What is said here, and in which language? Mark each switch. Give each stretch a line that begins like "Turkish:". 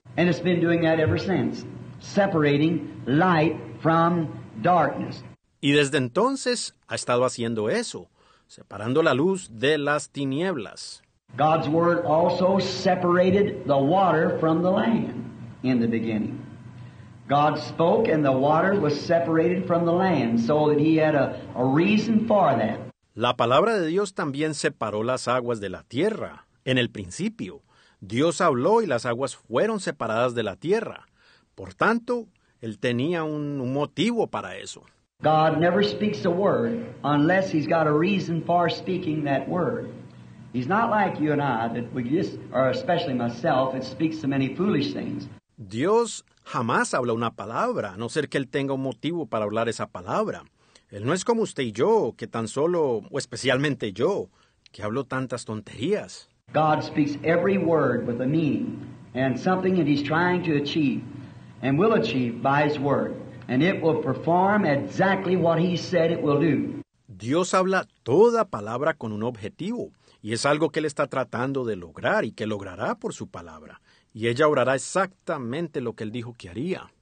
English: And it's been doing that ever since, separating light from darkness.
Spanish: Y desde entonces ha estado haciendo eso, separando la luz de las tinieblas.
English: God's word also separated the water from the land in the beginning. God spoke and the water was separated from the land, so that he had a reason for that.
Spanish: La palabra de Dios también separó las aguas de la tierra. En el principio, Dios habló y las aguas fueron separadas de la tierra. Por tanto, él tenía un motivo para eso.
English: God never speaks a word unless he's got a reason for speaking that word. He's not like you and I that we just, or especially myself, that speaks so many foolish things.
Spanish: Dios jamás habla una palabra, a no ser que Él tenga un motivo para hablar esa palabra. Él no es como usted y yo, que tan solo, o especialmente yo, que hablo tantas tonterías.
English: God speaks every word with a meaning and something that He's trying to achieve and will achieve by His word. And it will perform exactly what He said it will do.
Spanish: Dios habla toda palabra con un objetivo. Y es algo que Él está tratando de lograr y que logrará por su palabra. Y ella orará exactamente lo que Él dijo que haría.